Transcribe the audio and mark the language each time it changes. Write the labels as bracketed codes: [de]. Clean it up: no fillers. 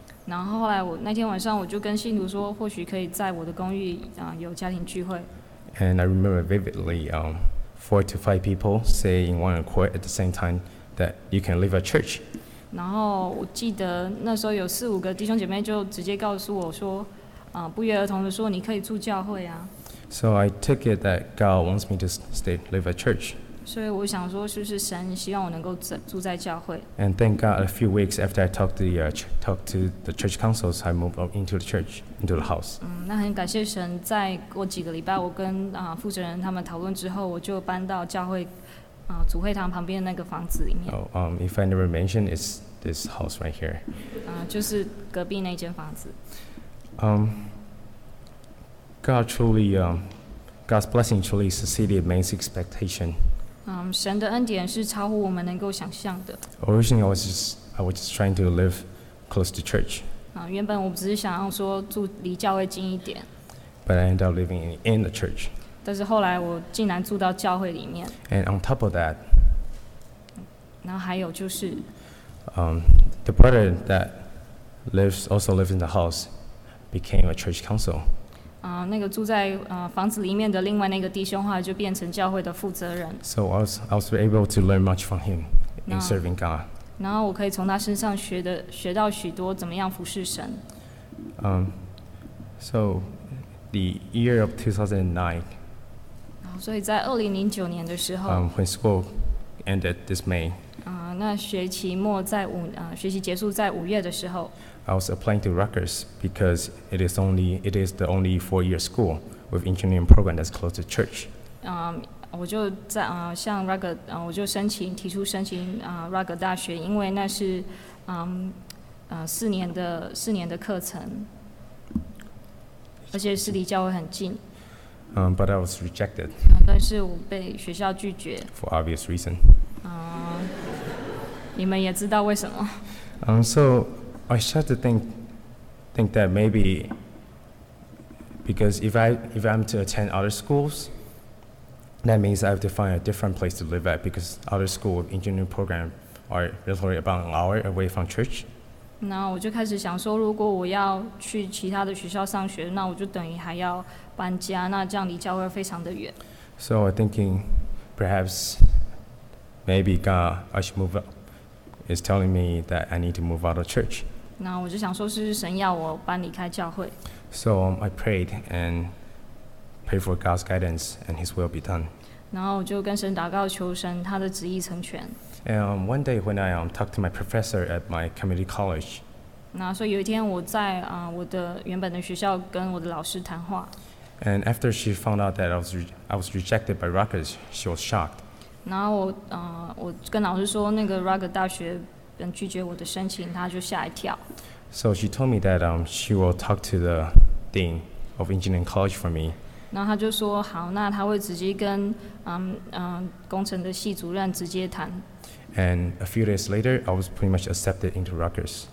[zh] 然后后来我那天晚上我就跟信徒说，或许可以在我的公寓有家庭聚会。 [en] And I remember vividly, four to five people say in one accord at the same time that you can leave a church. [zh] 然后我记得那时候有四五个弟兄姐妹就直接告诉我说，不约而同的说你可以住教会啊。 [en] So I took it that God wants me to stay live at church. [zh] 所以我想说，是不是神希望我能够住在教会 [en] ？And thank God, a few weeks after I talked to the church councils, I moved up into the church, into the house. [zh] 那很感谢神，在过几个礼拜，我跟负责人他们讨论之后，我就搬到教会主会堂旁边那个房子里面。 [en] If I never mention, it's this house right here. [zh] 就是隔壁那间房子。 [en] God truly, God's blessing truly succeeded man's expectation. [zh] 神的恩典是超乎我们能够想象的。 [en] Originally, I was just trying to live close to church. [zh] 原本我只是想要说住离教会近一点。 [en] But I ended up living in the church. [zh] 但是后来我竟然住到教会里面。 [en] And on top of that, [zh] 然后还有就是， [en] the brother that also lives in the house became a church council. [zh] 那个住在房子里面的另外那个弟兄，后来就变成教会的负责人。 [en] So I was able to learn much from him in serving God. [zh] 然后我可以从他身上学到许多怎么样服侍神。 [en] So the year of 2009. [zh] 所以在2009年的时候。 [en] When school ended this May. [zh] 那学期末在学期结束在五月的时候。 [en] I was applying to Rutgers because it is the only 4-year school with engineering program that's close to church. [zh] 我就在向 Rutgers 我就提出申请Rutgers 大学，因为那是四年的课程，而且是离教会很近。 [en] But I was rejected. [zh] 但是我被学校拒绝。 [en] For obvious reason. [zh] 你们也知道为什么。 [en] So. I started to think that maybe because if I'm to attend other schools, that means I have to find a different place to live at because other school engineering program are literally about an hour away from church. [zh] 那我就开始想说，如果我要去其他的学校上学，那我就等于还要搬家，那这样离教会非常的远。 [en] So I'm thinking perhaps maybe God, I should move up, is telling me that I need to move out of church. [zh] 那我就想说，是神要我搬离开教会。 [en] So I prayed and prayed for God's guidance and His will be done. [zh] 然后我就跟神祷告，求神他的旨意成全。 [en] And one day when I talked to my professor at my community college. [zh] 那所以有一天我在我的原本的学校跟我的老师谈话。 [en] And after she found out that I was rejected by Rutgers, she was shocked. [zh] 然后我跟老师说那个 Rutgers 大学。人拒绝我的申请，他就吓一跳。 [en] So she told me that she will talk to the dean of engineering college for me. [zh] 然后他就说好，那他会直接跟工程的系主任直接谈。 [en] And a few days later, I was pretty much accepted into Rutgers.